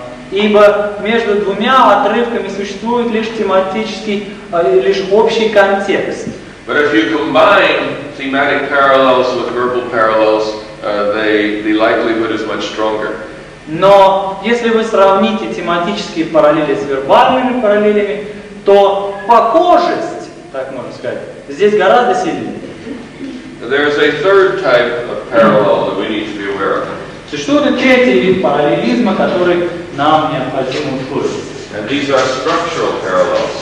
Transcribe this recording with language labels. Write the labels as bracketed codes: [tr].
[ru] Ибо между двумя отрывками существует лишь тематический, лишь общий контекст. [en] But if you combine thematic parallels with verbal parallels, the likelihood is much stronger. [ru] Но если вы сравните тематические параллели с вербальными параллелями, то похожесть, так можно сказать, здесь гораздо сильнее. [en] There is a third type of parallel that we need to be aware of. [ru] Существует третий вид параллелизма, который нам необходимо услышать. [en] And these are structural parallels.